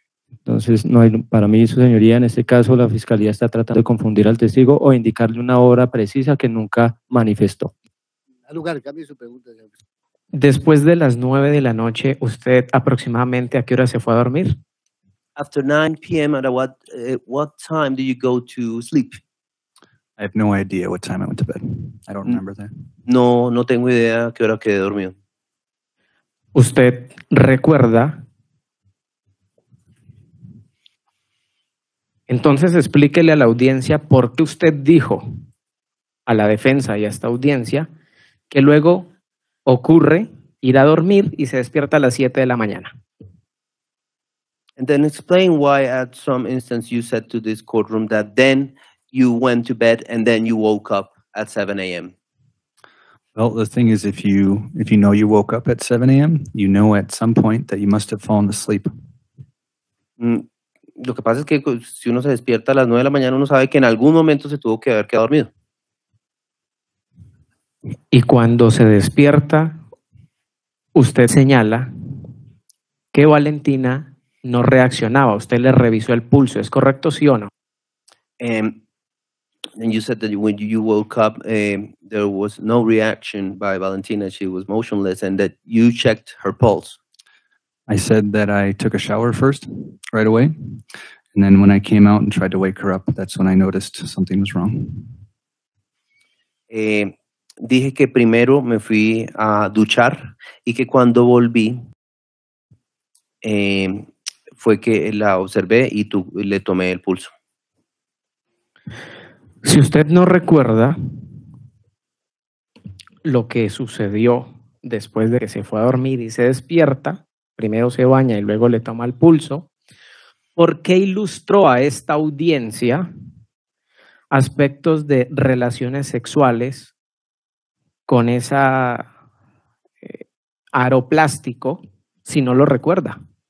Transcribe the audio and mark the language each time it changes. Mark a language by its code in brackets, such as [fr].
[es] Entonces, no hay, para mí, su señoría, en este caso, la fiscalía está tratando de confundir al testigo o indicarle una hora precisa que nunca manifestó. Al lugar, cambie su pregunta. Después de las 9 de la noche, ¿usted aproximadamente a qué hora se fue a dormir? [en] After 9 p.m., at what time do you go to sleep? I have no idea what time I went to bed. I don't remember that. [es] No tengo idea a qué hora quedé dormido. ¿Usted recuerda? Entonces explíquele a la audiencia por qué usted dijo a la defensa y a esta audiencia que luego ocurre ir a dormir y se despierta a las 7 de la mañana. [en] And then explain why at some instance you said to this courtroom that then you went to bed and then you woke up at 7 a.m. Well, the thing is, if you know you woke up at 7 a.m., you know at some point that you must have fallen asleep. [es] Lo que pasa es que si uno se despierta a las 9 de la mañana, uno sabe que en algún momento se tuvo que haber quedado dormido. Y cuando se despierta, usted señala que Valentina no reaccionaba. Usted le revisó el pulso, ¿es correcto, sí o no? [en] And you said that when you woke up, there was no reaction by Valentina. She was motionless and that you checked her pulse. I said that I took a shower first, right away. And then when I came out and tried to wake her up, that's when I noticed something was wrong. [es] Dije que primero me fui a duchar y que cuando volví, fue que la observé y le tomé el pulso. Si usted no recuerda lo que sucedió después de que se fue a dormir y se despierta, primero se baña y luego le toma el pulso, ¿por qué ilustró a esta audiencia aspectos de relaciones sexuales con esa aro plástico si no lo recuerda?